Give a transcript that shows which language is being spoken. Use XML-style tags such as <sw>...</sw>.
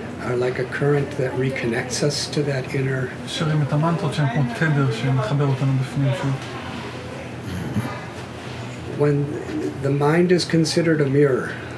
<en>are like a current that reconnects us to that inner</en> <he>שרים את המנטרות שהן כמו תדר שמחבר אותנו בפנים שוב.</he> <en>When the mind is considered a mirror,</en>